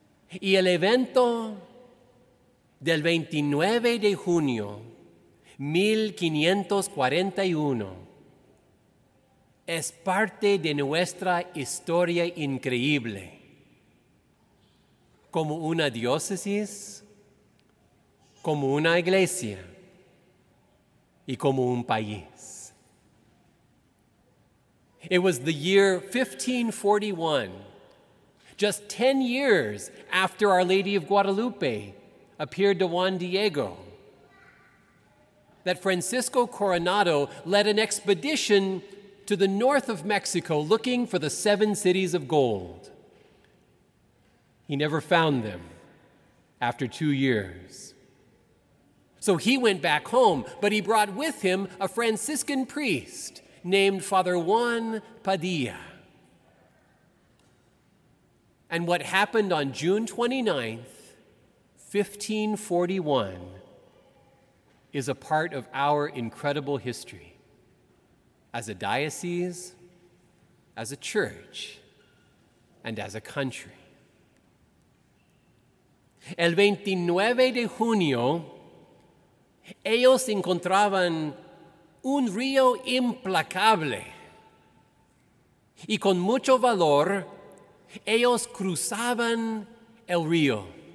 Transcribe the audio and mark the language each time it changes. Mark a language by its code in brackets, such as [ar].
[es] Y el evento del 29 de junio, 1541, es parte de nuestra historia increíble. Como una diócesis, como una iglesia y como un país. [en] It was the year 1541, just 10 years after Our Lady of Guadalupe appeared to Juan Diego, that Francisco Coronado led an expedition to the north of Mexico looking for the 7 cities of gold. He never found them after 2 years. So he went back home, but he brought with him a Franciscan priest named Father Juan Padilla. And what happened on June 29th, 1541, is a part of our incredible history as a diocese, as a church, and as a country. [es] El 29 de junio, ellos encontraban un río implacable. Y con mucho valor, ellos cruzaban el río.